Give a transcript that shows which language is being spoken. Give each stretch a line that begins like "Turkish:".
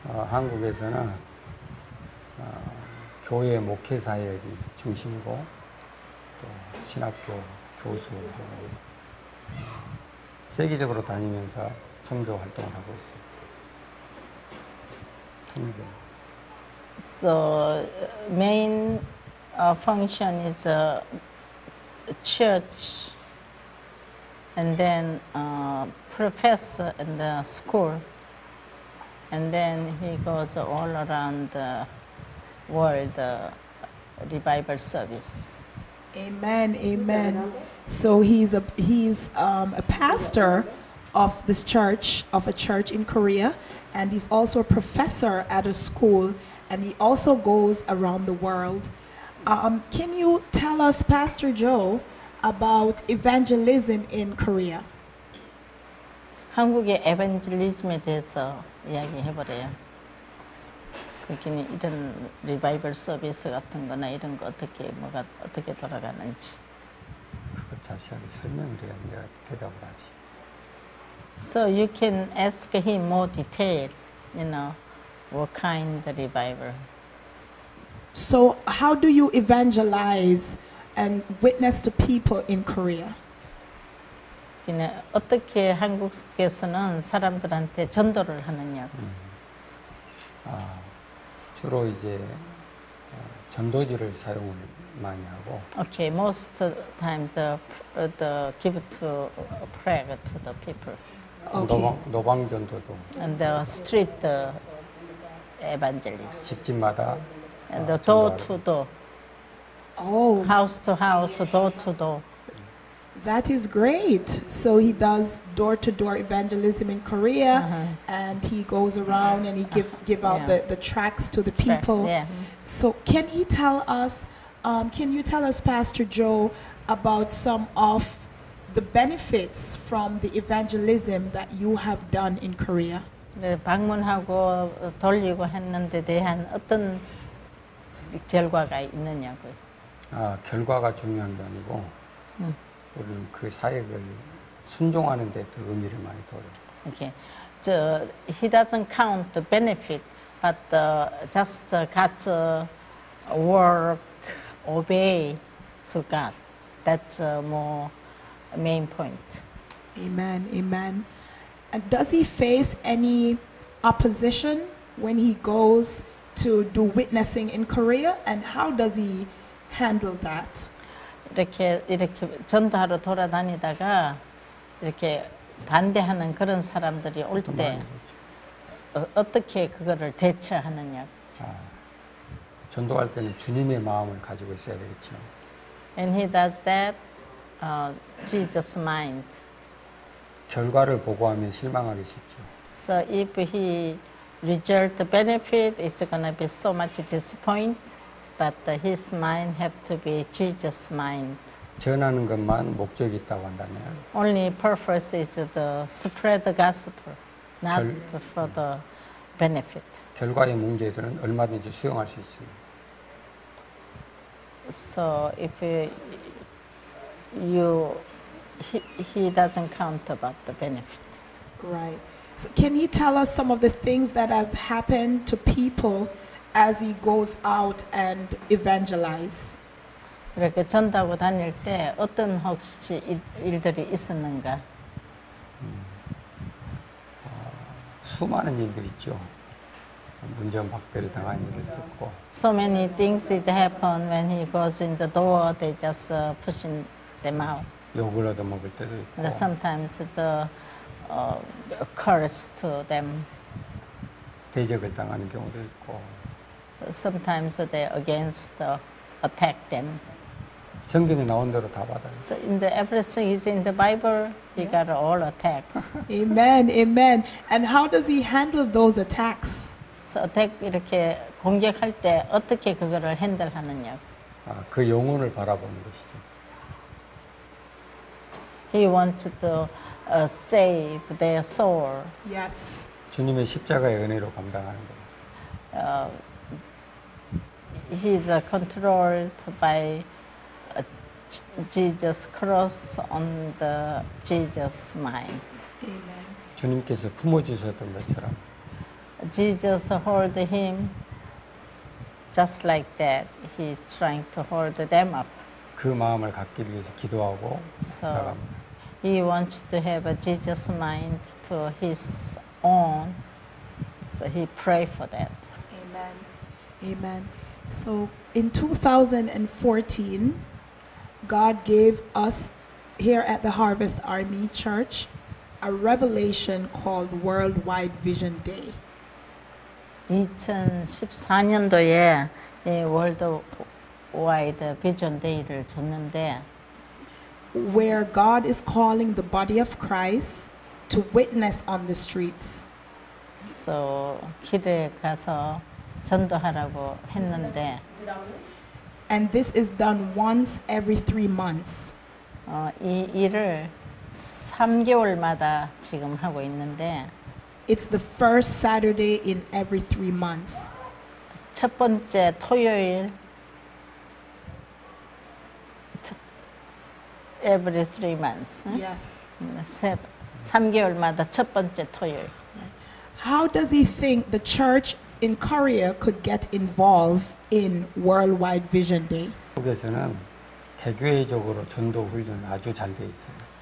Korean: 한국에서는 교회 목회 사역이 중심이고 또 신학교 교수하고 세계적으로 다니면서 선교 활동을 하고 있어요. 선교.
English: So main function is a church and then professor in the school. And then he goes all around the world, revival service. Amen, amen. So he's a pastor of this church, of a church in Korea, and he's also a professor at a school, and he also goes around the world. Can you tell us, Pastor Joe, about evangelism in Korea?
Korean: 한국의 에반젤리즘에 대해서 이야기해보래요. 거기는 이런 리바이벌 서비스 같은 거나 이런 거 어떻게, 뭐가 어떻게 돌아가는지. 그거 자세하게 설명을 해야 내가 대답을 하지.
English: So you can ask him more detail, you know, what kind of revival. So how do you evangelize and witness to people in Korea?
Korean: 어떻게 한국에서는 사람들한테 전도를 하느냐고. 주로 이제 전도지를 사용을 많이 하고.
English: Okay, most of the time the give to prayer to the people.
Korean: Okay. 노방 전도도.
English: And the street evangelists.
Korean: 집집마다.
English: And the door to door. Oh. House to house, door to door. That is great. So he does door-to-door evangelism in Korea, uh-huh. and he goes around and he gives out yeah. the tracts to the people. Yeah. So can he tell us, can you tell us, Pastor Joe, about some of the benefits from the evangelism that you have done in Korea?
Korean: 방문하고 돌리고 했는데 대한 어떤 결과가 있느냐고요? 결과가 중요한 게 아니고. 우리는 그 사역을 순종하는 데 더 의미를 많이 둬요.
English: Okay. So he doesn't count the benefit, but the, just the God's work, obey to God. That's a more main point. Amen, amen. And does he face any opposition when he goes to do witnessing in Korea? And how does he handle that?
Korean: 이렇게 전도하러 돌아다니다가 이렇게 반대하는 그런 사람들이 올 때 어떻게 그거를 대처하느냐. 전도할 때는 주님의 마음을 가지고 있어야 되겠죠.
English: And he does that, Jesus' mind.
Korean: 결과를 보고 하면 실망하기 쉽죠.
English: So if he reject the benefit, it's gonna be so much disappointed. But his mind have to be Jesus' mind.
Korean: 전하는 것만 목적이 있다고 한다면.
English: Only purpose is the spread the gospel, not for the benefit.
Korean: 결과의 문제들은 얼마든지 수용할 수 있습니다.
English: So if he doesn't count about the benefit. Right. So can he tell us some of the things that have happened to people as he goes out and evangelize?
Korean: 이렇게 전도하고 다닐 때 어떤 혹시 일들이 있었는가? 수많은 일들 있죠. 문전박대를 당한 일들 있고.
English: So many things is happen when he goes in the door, they just pushing them out.
Korean: 욕을 얻어먹을 때도 있고.
English: And sometimes the curse to them.
Korean: 대적을 당하는 경우도 있고.
English: Sometimes they against the attack them.
Korean: 성경에 나온 대로 다 받아요.
English: So in the everything is in the Bible, he yes. got all attack. Amen, amen. And how does he handle those attacks? So attack
Korean: 이렇게 공격할 때 어떻게 그거를 핸들하느냐? 아, 그 영혼을 바라보는 것이죠.
English: He wants to save their soul. Yes.
Korean: 주님의 십자가의 은혜로 감당하는 거.
English: He is controlled by Jesus' cross on the Jesus' mind. Amen.
Korean: 주님께서 품어주셨던 것처럼.
English: Jesus hold him just like that. He is trying to hold them up.
Korean: 그 마음을 갖기 위해서 기도하고 나갑니다.
English: He wants to have a Jesus mind to his own, so he pray for that. Amen, amen. So in 2014, God gave us here at the Harvest Army Church a revelation called Worldwide Vision Day.
Korean: 2014년도에 이 Worldwide Vision Day를 줬는데.
English: Where God is calling the body of Christ to witness on the streets.
Korean: So, 길에 가서 전도하라고 했는데.
English: And this is done once every 3 months.
Korean: 이 일을 3개월마다 지금 하고 있는데.
English: It's the first Saturday in every 3 months.
Korean: 첫 번째 토요일.
English: Every 3 months. Yes.
Korean: 3개월마다 첫 번째 토요일.
English: How does he think the church in Korea could get involved in Worldwide Vision Day?
Korean: 한국에서는 개교회적으로 전도 훈련 아주 잘 돼 있어요.